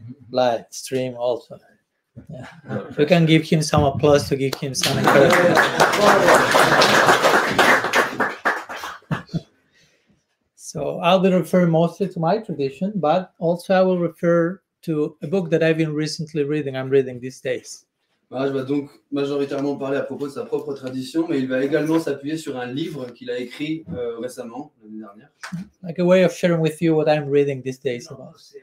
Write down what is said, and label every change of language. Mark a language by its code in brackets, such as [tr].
[en] Live stream also. Yeah. We can give him some applause to give him some encouragement. So I'll be referring mostly to my tradition, but also I will refer to a book that I've been recently reading. I'm reading these days. [fr] Je vais donc majoritairement parler à propos de sa propre tradition, mais il va également s'appuyer sur un livre qu'il a écrit récemment, l'année dernière. [en] Like a way of sharing with you what I'm reading these days about.